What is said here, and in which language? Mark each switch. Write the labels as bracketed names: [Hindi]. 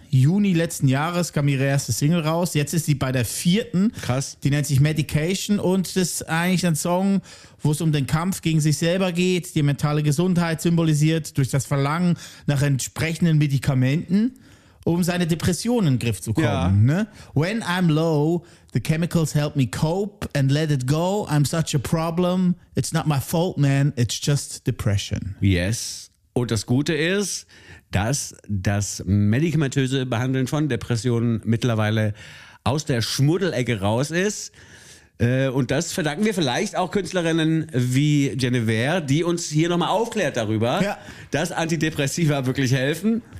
[German] Juni letzten Jahres kam ihre erste Single raus. Jetzt ist sie bei der vierten. Krass. Die nennt sich Medication und das ist eigentlich ein Song, wo es um den Kampf gegen sich selber geht, die mentale Gesundheit symbolisiert durch das Verlangen nach entsprechenden Medikamenten, um seine Depressionen in den Griff zu kommen. Ja. Ne? [English] When I'm low, the chemicals help me cope and let it go. I'm such a problem. It's not my fault, man. It's just depression. Yes. [German] Und das Gute ist, dass das medikamentöse Behandeln von Depressionen mittlerweile aus der Schmuddelecke raus ist. Und das verdanken wir vielleicht auch Künstlerinnen wie Guinevere, die uns hier nochmal aufklärt darüber, dass Antidepressiva wirklich helfen.